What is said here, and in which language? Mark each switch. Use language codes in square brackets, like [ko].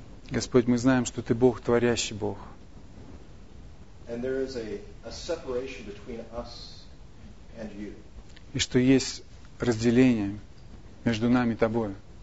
[ru] Господь, мы знаем, что Ты Бог, творящий Бог. [en] And there is a separation between us and you. [ru] И что есть разделение между нами и Тобой.